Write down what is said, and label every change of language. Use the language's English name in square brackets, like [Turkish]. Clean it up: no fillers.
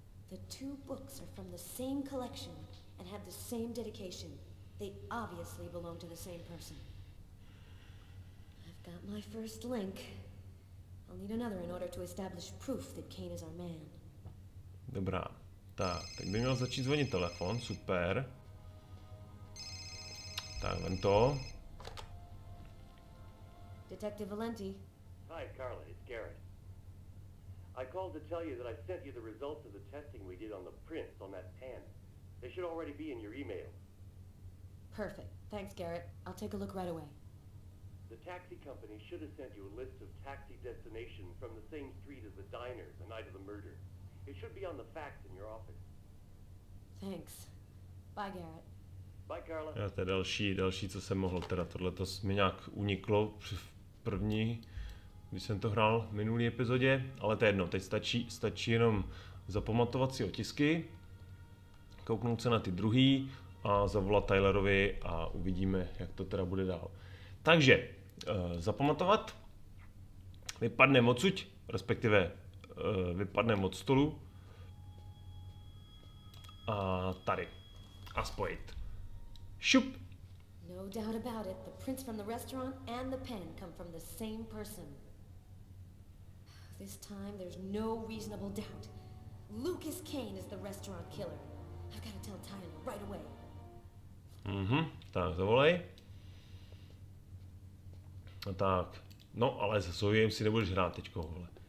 [English] The two books are from the same collection and have the same dedication. They obviously belong to the same person. I've got my first link. I'll need another in order to establish proof that Kane is our man. [Czech] Dobrá. Tak, teď by měl začít zvonit telefon. Super. Tak, vem to. [English] Detective Valenti. Hi, Carla. It's Garrett. I called to tell you that I sent you the results of the testing we did on the prints on that pen. They should already be in your email. Perfect. Thanks, Garrett. I'll take a look right away. The taxi company should have sent you a list of taxi destinations from the same street as the diner the night of the murder. It should be on the fax in your office. Thanks. Bye, Garrett. Bye, Carla. [Czech] Já, to je další, co jsem mohl. Teda tohle to mi nějak uniklo v první, když jsem to hrál v minulý epizodě. Ale to je jedno, teď stačí jenom zapamatovat si otisky, kouknout se na ty druhý, a zavolat Tylerovi a uvidíme, jak to teda bude dál. Takže, zapamatovat, vypadneme odsuť, respektive vypadneme od stolu a tady, a spojit. Šup! [English] No doubt about it, the prints from the restaurant and the pen come from the same person. This time there's no reasonable doubt. Lucas Kane is the restaurant killer. I've got to tell Tyler right away. [Czech] Mhm, tak zavolej. No tak, no ale se Sovějem si nebudeš hrát teďko, vole.